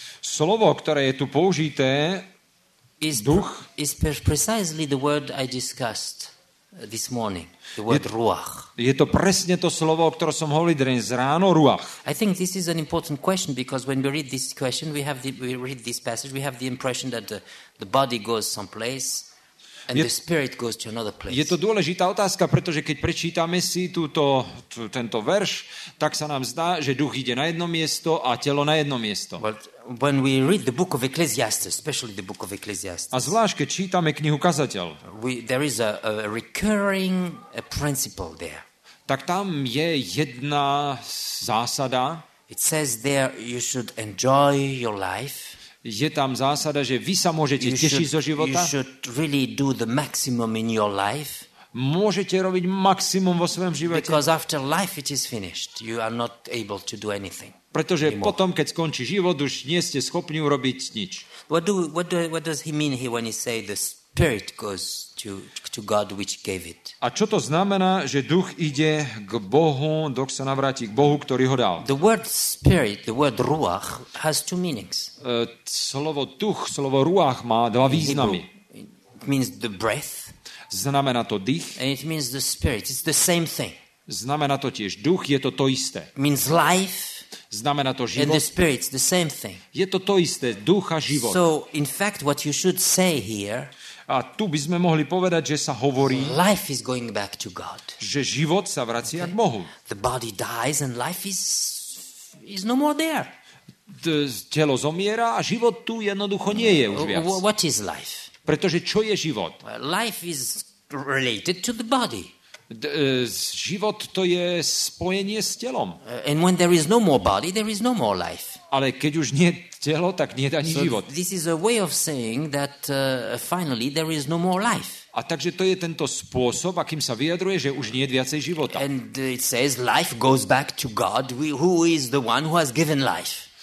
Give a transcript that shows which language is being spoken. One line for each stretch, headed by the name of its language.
Slovak: Slovo, ktoré je tu použité,
English: is
Slovak: duch,
English: is precisely the word I discussed this morning. The word je, ruach.
Slovak: Je to presne to slovo, o ktorom som hovoril dnes ráno, ruach.
English: I think this is an important question because when we read this question, we read this passage, we have the impression that the body goes someplace. And the spirit goes to another place.
Slovak: Je to dôležitá otázka, pretože keď prečítame si tento verš, tak sa nám zdá, že duch ide na jedno miesto a telo na jedno miesto.
English: But when we read the book of Ecclesiastes, especially the book of Ecclesiastes.
Slovak: A zvlášť keď čítame knihu Kazateľ.
English: There is a recurring principle there.
Slovak: Tak tam je jedna zásada.
English: It says there you should enjoy your life.
Slovak: Je tam zásada, že vy sa môžete tešiť zo života.
English: You should really do the maximum in your life.
Slovak: Môžete robiť maximum vo svojom živote.
English: Because after life it is finished. You are not able to do anything.
Slovak: Pretože potom, keď skončí život, už nie ste schopní urobiť nič.
English: What does he mean here when he say the spirit goes to God which gave it?
Slovak: A čo to znamená, že duch ide k Bohu, duch sa navráti k Bohu, ktorý ho dal?
English: The word spirit, the word ruach has two meanings.
Slovak: Slovo duch, slovo ruach má dva významy.
English: It means the breath.
Slovak: Znamená to dých.
English: And it means the spirit. It's the same thing.
Slovak: Znamená to tiež duch, je to isté.
English: It means life.
Slovak: Znamená to život.
English: And the spirit, the same thing.
Slovak: Je to isté, duch a život.
English: So in fact what you should say here.
Slovak: A tu by sme mohli povedať, že sa hovorí.
English: Life is going back to God.
Slovak: Že život sa vracia k Bohu.
English: The body dies and life is no more there.
Slovak: Telo zomiera a život tu jednoducho nie je už viac.
English: What is life?
Slovak: Pretože čo je život?
English: Life is related to the body.
Slovak: Život to je spojenie s telom.
English: And when there is no more body, there is no more life.
Slovak: Ale keď už nie telo, tak nie je ani život.
English: This is a way of saying that finally there is no more life.
Slovak: A takže to je tento spôsob, akým sa vyjadruje, že už nie je viacej života.
English: And it says life goes back to God, who is the one who has given life.